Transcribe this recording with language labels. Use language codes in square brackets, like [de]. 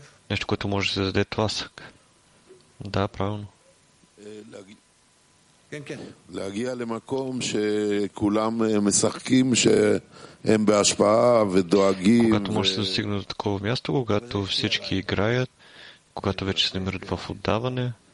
[bg] Нещо, което може да се даде тласък. Да, правилно. [he] להגיע למקום שכולם משחקים שהם בהשפעה ודואגים [bg] когато може да достигнат до такова място, когато всички играят, когато вече се намират в отдаване.